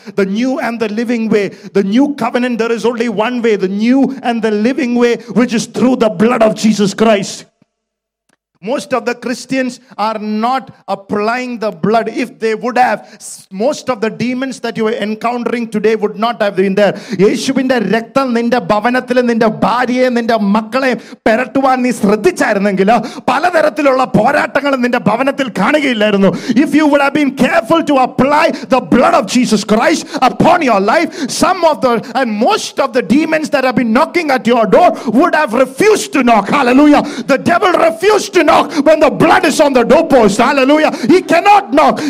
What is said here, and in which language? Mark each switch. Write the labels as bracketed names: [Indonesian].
[English] The new and the living way. The new covenant, there is only one way. The new and the living way, which is through the blood of Jesus Christ. Most of the Christians are not applying the blood. If they would have, most of the demons that you are encountering today would not have been there. [Malayalam] യേശുവിന്റെ രക്തം നിന്റെ ഭവനത്തിലെ നിന്റെ ഭാര്യയെ നിന്റെ മക്കളെ പെരട്ടുവാൻ നീ ശ്രദ്ധിച്ചായിരുന്നെങ്കിൽ പലതരത്തിലുള്ള പോരാട്ടങ്ങൾ നിന്റെ ഭവനത്തിൽ കാണുകയില്ലായിരുന്നു. [English] If you would have been careful to apply the blood of Jesus Christ upon your life, most of the demons that have been knocking at your door would have refused to knock. Hallelujah. The devil refused to knock when the blood is on the doorpost. Hallelujah. He cannot knock.